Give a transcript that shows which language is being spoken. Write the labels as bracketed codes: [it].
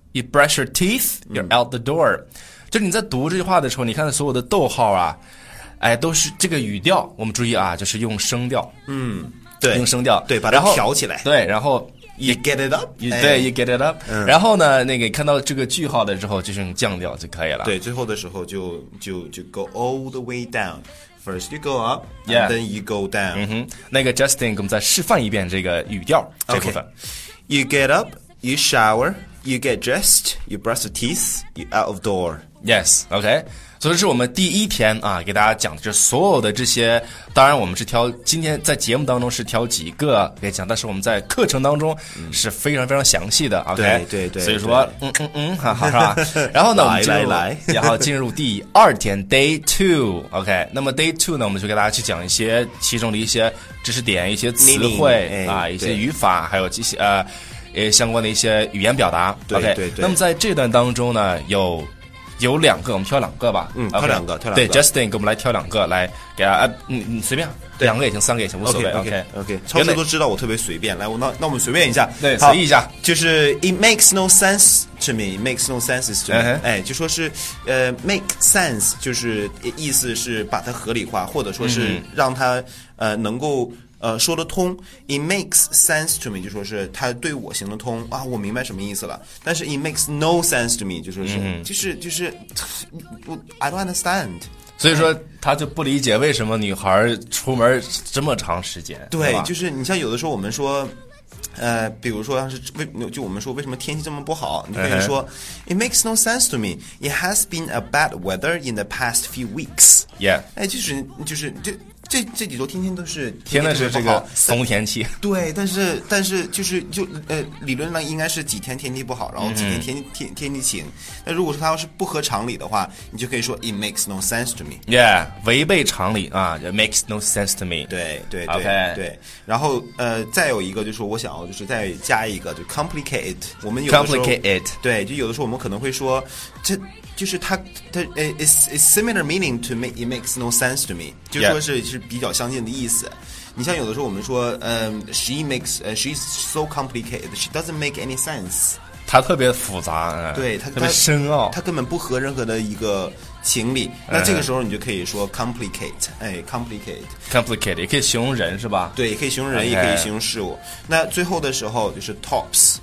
[en] You brush your teeth, you're out the door、 [zh] 就是你在读这句话的时候你看所有的逗号啊哎，都是这个语调我们注意啊就是用声调对用声调对把它调起来对然后 [en] You get it up [zh] you,、对 [en] You get it up、 [zh] 然后呢那个看到这个句号的时候就是用降调就可以了对最后的时候就 [en] go all the way down First you go up and then you go down、 [zh] 那个 Justin 给我们再示范一遍这个语调这部分、 [en] You get up, you showerYou get dressed, you brush your teeth, you're out of door. Yes, okay. [zh] 所以是我们第一天啊，给大家讲的就所有的这些，当然我们是挑今天在节目当中是挑几个给讲，但是我们在课程当中是非常非常详细的、嗯、OK 对对对，所以说哈哈是吧，然后呢来来来，然后进入第二天 Day 2 OK。那么 Day 2呢，我们就给大家去讲一些其中的一些知识点，一些词汇啊，一些语法，还有这些相关的一些语言表达。对 [en] OK [zh] 对对对。那么在这段当中呢，有两个，我们挑两个吧。嗯，挑两个， [en] okay, [zh] 挑两个。对 ，Justin， 给我们来挑两个，来给他，你随便，对，两个也行，三个也行，无所谓。 [en] OK，OK，OK、 okay, okay, okay, okay,。 [zh] 超都知道我特别随便，来，那我们随便一下，对，随意一下， [en] 就是 It makes no sense to me， makes no sense to me、uh-huh.。 [zh] 哎，就说是make sense， 就是意思是把它合理化，或者说是让它、mm-hmm. 能够。说得通 ， [en] it makes sense to me， [zh] 就说是它对我行得通啊，我明白什么意思了。但是 [en] it makes no sense to me， [zh] 就说是、嗯、 [en] 就是，不 ，I don't understand。 [zh] 所以说他就不理解为什么女孩出门这么长时间。对，对，就是你像有的时候我们说，比如说像是就我们说为什么天气这么不好，你可以说、哎、 [en] it makes no sense to me， it has been a bad weather in the past few weeks。 Yeah， [zh] 哎，就是。这几周天天都是天天是这个冬天气，对，但是就是理论上应该是几天天气不好，然后几天天气晴。那如果说它要是不合常理的话，你就可以说 [en] it makes no sense to me。 Yeah， [zh] 违背常理啊 [en] ，it makes no sense to me。 [zh] 对对对、 [en] okay. [zh] 对。然后再有一个就是我想要就是再加一个就 complicate it。我们有 [en] complicate it。 [zh] 对，就有的时候我们可能会说这。 [en] 就是它 is similar meaning to me, it makes no sense to me， 就说是、 yeah. [zh] 是比较相近的意思。你像有的时候我们说， [en] she's so complicated, she doesn't make any sense。 [zh] 她特别复杂，对，她特别深奥，她根本不合任何的一个情理。那这个时候你就可以说 complicate， 哎 ，complicate，也可以形容人是吧？对，也可以形容人， [en] okay. [zh] 也可以形容事物。那最后的时候就是 tops，